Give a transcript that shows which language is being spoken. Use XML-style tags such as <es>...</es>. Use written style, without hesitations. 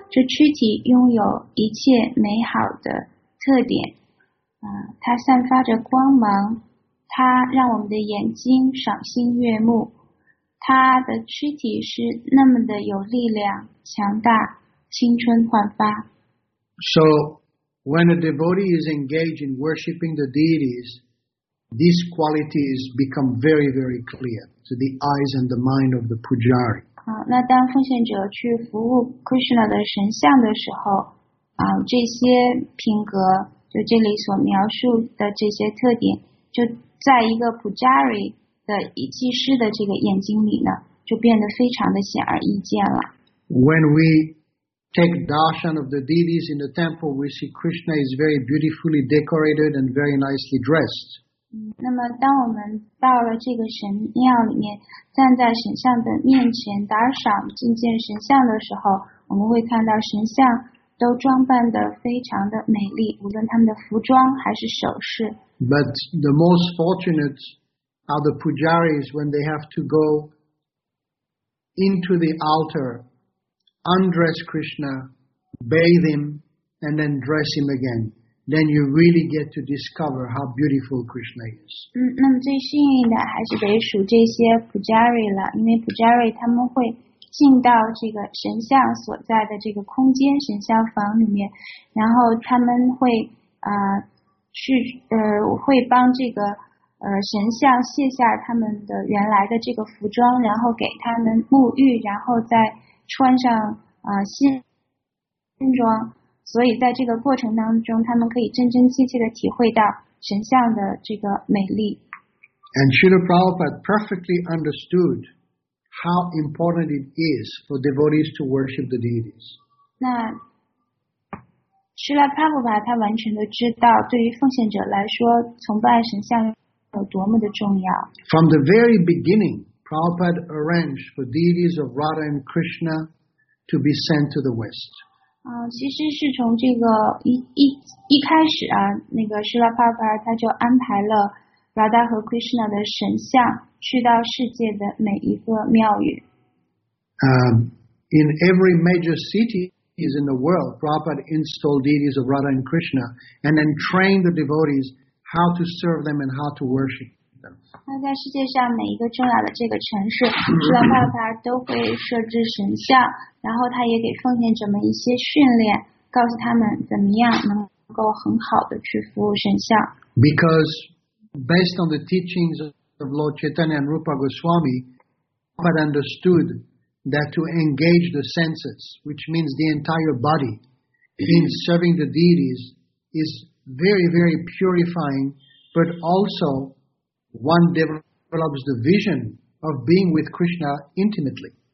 <zh>这躯体拥有一切美好的特点。它散发着光芒，它让我们的眼睛赏心悦目。他的躯体是那么的有力量、强大、青春焕发。</zh> <en>So, when a devotee is engaged in worshipping the deities, these qualities become very, very clear to the eyes and the mind of the pujari.</en> <zh>那当奉献者去服务 Krishna 的神像的时候，这些品格，就这里所描述的这些特点，就在一个 pujari 的祭师的这个眼睛里呢，就变得非常的显而易见了。</zh> <en>When we take darshan of the deities in the temple, we see Krishna is very beautifully decorated and very nicely dressed.</en> <zh>那么当我们到了这个神庙里面，站在神像的面前 darshan 觐见神像的时候，我们会看到神像都装扮得非常的美丽，无论他们的服装还是首饰。</zh> <en>But the most fortunate are the pujaris when they have to go into the altar, undress Krishna, bathe him, and then dress him again. Then you really get to discover how beautiful Krishna is.</en> <zh>那么最幸运的还是得数这些 pujari 了，因为 pujari 他们会进到这个神像所在的这个空间神像房里面，然后他们会会帮这个神像卸下他们的原来的这个服装，然后给他们沐浴，然后再穿上新装，所以在这个过程当中他们可以真真切切的体会到神像的这个美丽。</zh> <en>And Srila Prabhupada perfectly understoodhow important it is for devotees to worship the deities.</en> <zh>那 Srila Prabhupada 他完全都知道对于奉献者来说崇拜神像有多么的重要。</zh> <en>From the very beginning, Prabhupada arranged for deities of Radha and Krishna to be sent to the West.</en> <zh>其实是从这个 一开始啊，那个 Srila Prabhupada 他就安排了 Radha 和 Krishna 的神像去到世界的每一个庙宇。</zh> <en>In every major city is in the world, Prabhupada installed deities of Radha and Krishna and then trained the devotees how to serve them and how to worship them.</en> <zh>那在世界上每一个重要的这个城市，释迦牟尼都会设置神像，然后他也给奉献者们一些训练，告诉他们怎么样能够很好的去服务神像。</zh> <en>Because based on the teachings of Lord Chaitanya and Rupa Goswami, Prabhupada understood that to engage the senses, which means the entire body, in serving the deities is very, very purifying, but also one develops the vision of being with Krishna intimately.</en>